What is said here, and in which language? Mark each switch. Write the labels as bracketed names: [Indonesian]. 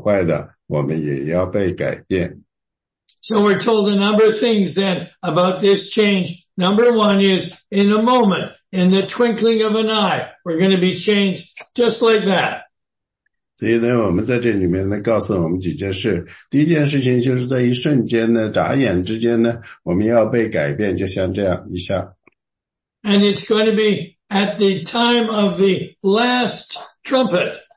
[Chinese] 第52节说，就在一瞬间眨眼之间，在这最后的号角吹响的时候，因号角要吹响，死人要复活成为不朽坏的，我们也要被改变。 [English] So we're told a number of things then about this change. Number one is, in a moment, in the twinkling of an eye, we're going to be changed just like that. [Chinese] 所以呢，我们在这里面呢，告诉我们几件事。第一件事情就是在一瞬间呢，眨眼之间呢，我们要被改变，就像这样一下。 [English] And it's going to be at the time of the last trumpet.